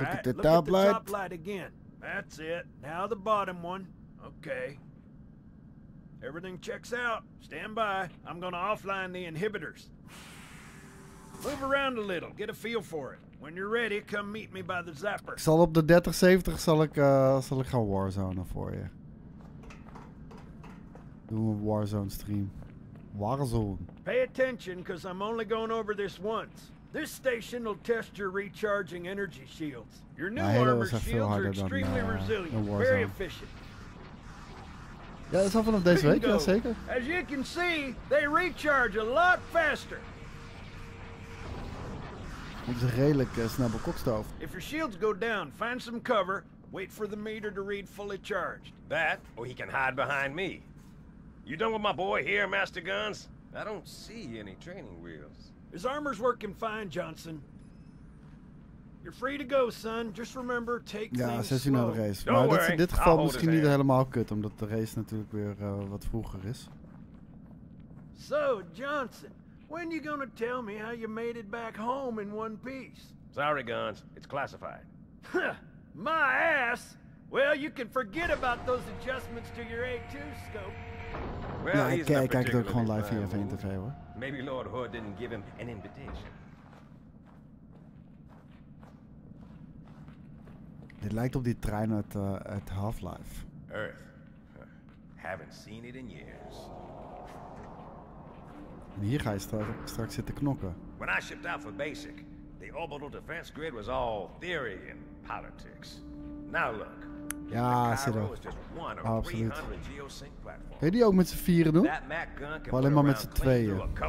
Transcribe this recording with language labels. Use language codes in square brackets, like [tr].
[en] Look at the top light again. That's it. Now the bottom one. Okay. Everything checks out. Stand by. I'm gonna offline the inhibitors. Move around a little. Get a feel for it. When you're ready, come meet me by the zapper. [nl] Ik zal op de 3070 zal ik gaan warzonen voor je. Doen we een warzone stream. Warzone. [en] Pay attention, because I'm only going over this once. This station will test your recharging energy shields. Your new armor shields are extremely resilient, very efficient. [nl] Ja, dat is al vanaf deze week, ja zeker. [en] As you can see, they recharge a lot faster. [nl] Het is redelijk snel bekokstoof. [en] If your shields go down, find some cover. Wait for the meter to read fully charged. That, or he can hide behind me. You done with my boy here, Master Guns? I don't see any training wheels. His armor's working fine, Johnson. You're free to go, son. Just remember, take [nl] ja, [en] things [nl] 16 [en] slow. [nl] Ja, 16 naar de race. Maar dit is in dit geval misschien niet helemaal kut, omdat de race natuurlijk weer wat vroeger is. [en] So, Johnson. When you gonna tell me how you made it back home in one piece? Sorry, Guns. It's classified. My ass! Well, you can forget about those adjustments to your A2 scope. [nl] Well, nou, ik kijk het ook gewoon live hier even in tv, hoor. [en] Maybe Lord Hood didn't give him an invitation. [nl] Dit lijkt op die trein uit Half-Life. [en] Earth. Haven't seen it in years. [nl] En hier ga je straks zitten knokken. [en] When I shipped out for Basic, the orbital defense grid was all theory and politics. Now look. [nl] Ja, zit er. Oh, absoluut. Kun je die ook met z'n vieren doen? Of alleen maar met z'n tweeën?